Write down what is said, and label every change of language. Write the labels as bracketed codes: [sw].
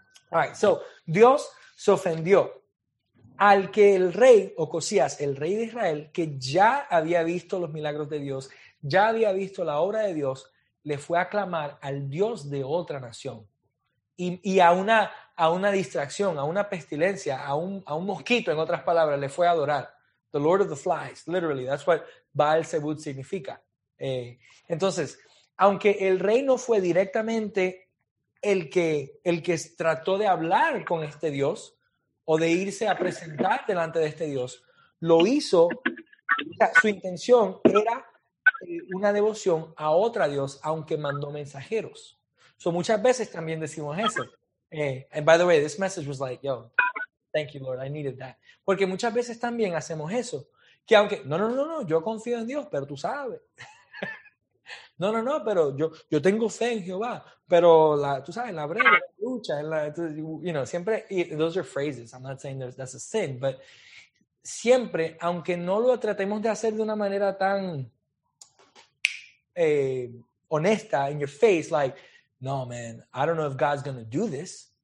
[en] All right, so [es] Dios se ofendió al que el rey, Ocosías, el rey de Israel, que ya había visto los milagros de Dios, ya había visto la obra de Dios, le fue a clamar al Dios de otra nación. Y a una distracción, a una pestilencia, a un mosquito, en otras palabras, le fue a adorar. [en] The Lord of the Flies, literally, that's what Baal-Zebub significa. [es] Entonces, aunque el rey no fue directamente el que trató de hablar con este Dios o de irse a presentar delante de este Dios, lo hizo, o sea, su intención era una devoción a otra Dios, aunque mandó mensajeros. So muchas veces también decimos eso. [en] And by the way, this message was like, yo, thank you, Lord, I needed that. [es] Porque muchas veces también hacemos eso. Que aunque, no, yo confío en Dios, pero tú sabes. No, pero yo tengo fe en Jehová, pero tú sabes, en la brega, la lucha, siempre, [en] those are phrases, I'm not saying that's a sin, but [es] siempre, aunque no lo tratemos de hacer de una manera tan honesta, [en] in your face, like, no, man, I don't know if God's going to do this.